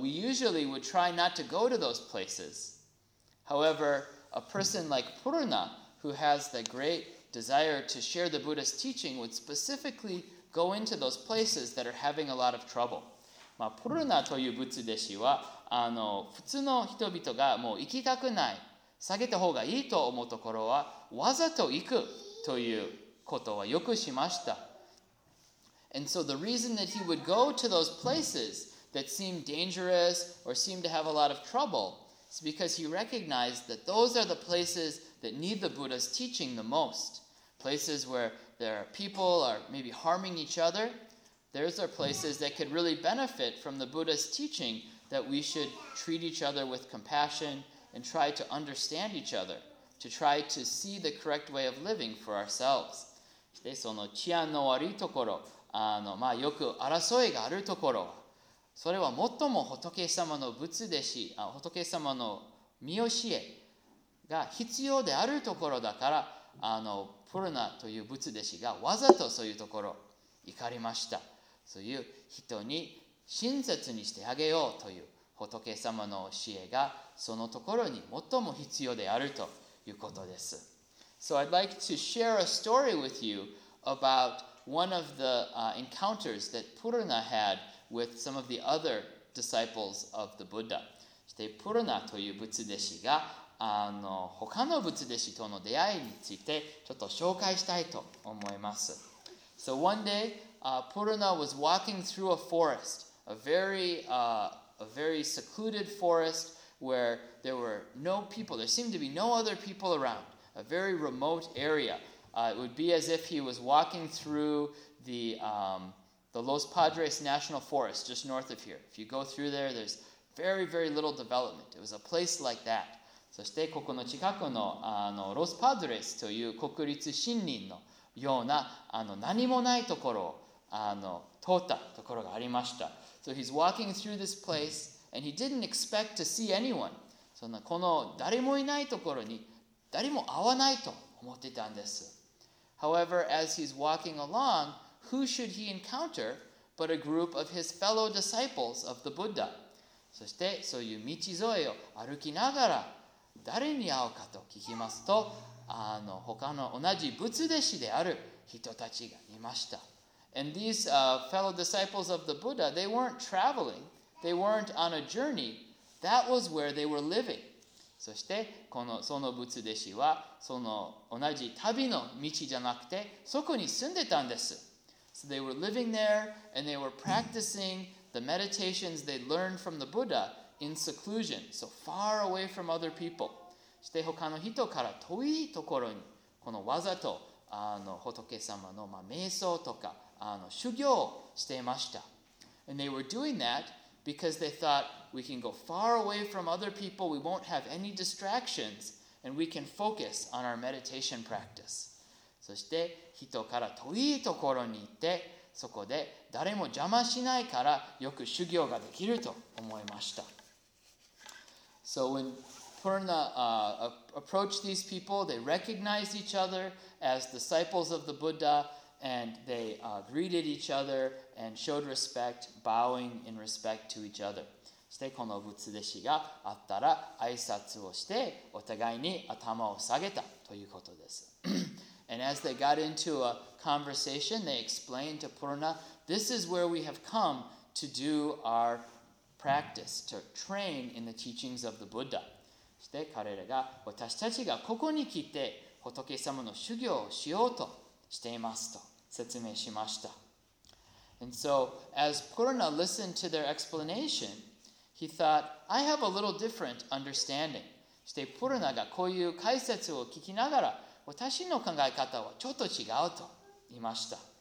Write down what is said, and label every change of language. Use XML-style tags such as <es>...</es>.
<en>we usually would try not to go to those places. However, a person like Purna, who has the great desire to share the Buddha's teaching, would specifically go into those places that are having a lot of trouble.</en> <ja>まあ、ポルナという仏弟子は普通の人々がもう行きたくない、下げた方がいいと思うところはわざと行くということはよくしました。</ja> <en>And so the reason that he would go to those places that seemed dangerous or seemed to have a lot of trouble is because he recognized that those are the places that need the Buddha's teaching the most. Places where there are people are maybe harming each other, those are places that could really benefit from the Buddha's teaching that we should treat each other with compassion and try to understand each other, to try to see the correct way of living for ourselves.</en> <ja>で、その治安の悪いところ、まあ、よく争いがあるところ、それは最も仏様の仏弟子、仏様の見教えが必要であるところだから、プルナという仏弟子がわざとそういうところ行かれました。そういう人に親切にしてあげようという仏様の教えがそのところに最も必要であるということです。</ja> <en>So I'd like to share a story with you about one of the encounters that Purana had with some of the other disciples of the Buddha.</en> <ja>そしてプルナという仏弟子が他の仏弟子との出会いについてちょっと紹介したいと思います。</ja> <en>So one day,Purana was walking through a forest, a very secluded forest where there were no people. There seemed to be no other people around, a very remote area. It would be as if he was walking through the Los Padres National Forest, just north of here. If you go through there, there's very, very little development. It was a place like that.</en> <ja>そしてここの近くの、ロスパドレスという国立森林のような何もないところを通ったところがありました。</ja> <en>So he's walking through this place and he didn't expect to see anyone.</en> <ja>そんなこの誰もいないところに誰も会わないと思っていたんです。</ja> <en>However, as he's walking along, who should he encounter but a group of his fellow disciples of the Buddha?</en> <ja>そしてそういう道沿いを歩きながら誰に会うかと聞きますと、他の同じ仏弟子である人たちがいました。</ja> <en>And these fellow disciples of the Buddha, they weren't traveling. They weren't on a journey. That was where they were living.</en> <ja>そしてこのその仏弟子はその同じ旅の道じゃなくてそこに住んでたんです。</ja> <en>So they were living there and they were practicing the meditations they learned from the Buddha in seclusion. So far away from other people.</en> <ja>そして他の人から遠いところにこのわざと仏様の瞑想とか修行していました。</ja> <en>And they were doing that because they thought we can go far away from other people, we won't have any distractions, and we can focus on our meditation practice.</en> <ja>そして人から遠いところに行って、そこで誰も邪魔しないからよく修行ができると思いました。</ja> <en>So when Purna approached these people, they recognized each other as disciples of the Buddha. And they greeted each other and showed respect, bowing in respect to each other.</en> <ja>そしてこの仏弟子が会ったら挨拶をしてお互いに頭を下げたということです。</ja> <en>And as they got into a conversation, they explained to Purna, "This is where we have come to do our practice, to train in the teachings of the Buddha."</en> <ja>そして彼らが私たちがここに来て仏様の修行をしようと。していますと説明しました。</ja> <en>And so, as Purna listened to their explanation, he thought, I have a little different understanding.</en> <ja>そして、プルナがこういう解説を聞きながら、私の考え方はちょっと違うと言いました。</ja>